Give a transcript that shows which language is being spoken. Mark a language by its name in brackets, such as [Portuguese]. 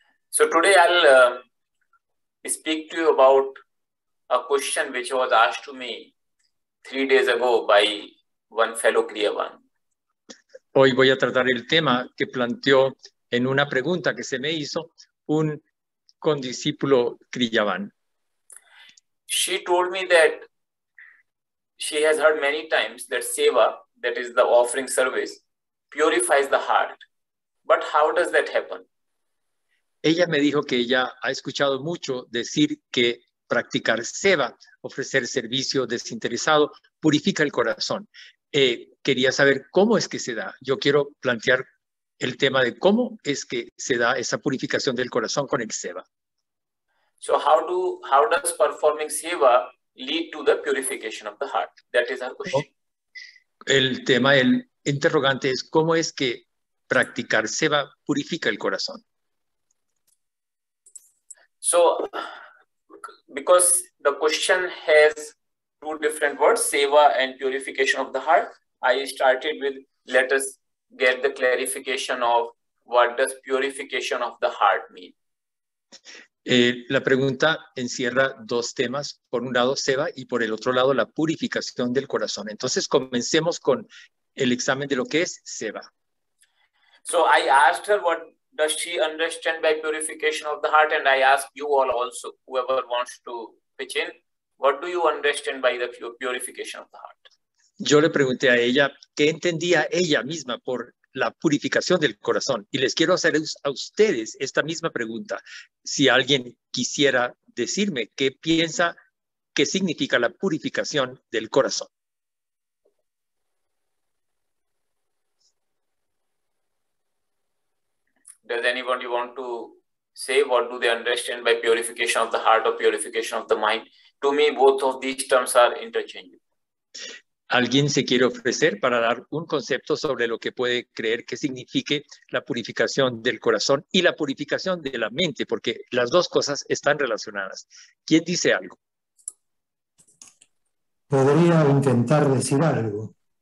[English] So today I'll speak to you about a question which was asked to me 3 days ago by one fellow Kriyavan. [Spanish] Hoy voy a tratar el tema que planteó en una pregunta que se me hizo un condiscípulo Kriyavan. [English] She told me that she has heard many times that seva, that is the offering service, purifies the heart. But how does that happen? [Spanish] Ella me dijo que ella ha escuchado mucho decir que practicar seva, ofrecer servicio desinteresado, purifica el corazón. Quería saber cómo es que se da. Yo quiero plantear el tema de cómo es que se da esa purificación del corazón con el seva. [English] So how does performing seva lead to the purification of the heart? That is our question. [Spanish] El tema, el interrogante es cómo es que practicar seva purifica el corazón. [English] So, because the question has two different words, seva and purification of the heart, I started with, let us get the clarification of what does purification of the heart mean. [Spanish] La pregunta encierra dos temas, por un lado seva y por el otro lado la purificación del corazón. Entonces comencemos con el examen de lo que es seva. [English] So I asked her what does she understand by purification of the heart, and I ask you all also, whoever wants to pitch in, what do you understand by the purification of the heart? [Spanish] Yo le pregunté a ella qué entendía ella misma por la purificación del corazón. Y les quiero hacer a ustedes esta misma pregunta. Si alguien quisiera decirme qué piensa, qué significa la purificación del corazón. [English] Does anybody want to say what do they understand by purification of the heart or purification of the mind? To me, both of these terms are interchangeable. [Spanish] ¿Alguien se quiere ofrecer para dar un concepto sobre lo que puede creer que signifique la purificación del corazón y la purificación de la mente? Porque las dos cosas están relacionadas. ¿Quién dice algo? Podría intentar decir algo.